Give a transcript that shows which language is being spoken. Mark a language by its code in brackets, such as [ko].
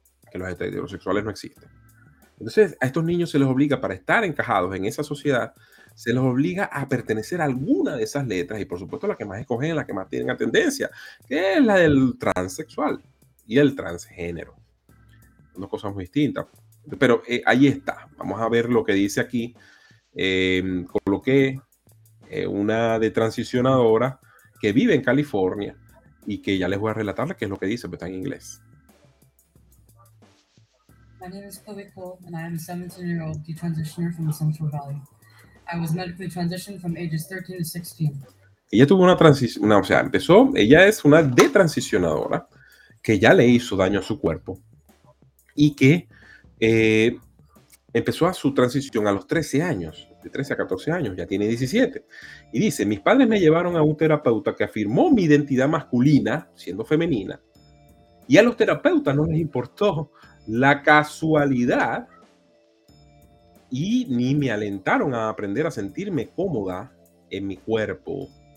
[es] Que los heterosexuales no existen. Entonces, a estos niños se les obliga, para estar encajados en esa sociedad, se les obliga a pertenecer a alguna de esas letras, y por supuesto la que más escogen, la que más tienen a tendencia, que es la del transexual y el transgénero. Son dos cosas muy distintas. Pero ahí está. Vamos a ver lo que dice aquí. Coloqué una de transicionadora que vive en California y que ya les voy a relatar qué es lo que dice, pero está en inglés. [en] My name is Chloe Cole and I am a 17-year-old detransitioner from the Central Valley. I was medically transitioned from ages 13 to 16. [es] Ella tuvo una transición, o sea, empezó, ella es una detransicionadora que ya le hizo daño a su cuerpo y que empezó a su transición a los 13 años. De 13 a 14 años, ya tiene 17. Y dice, mis padres me llevaron a un terapeuta que afirmó mi identidad masculina, siendo femenina, y a los terapeutas no les importó la casualidad y ni me alentaron a aprender a sentirme cómoda en mi cuerpo.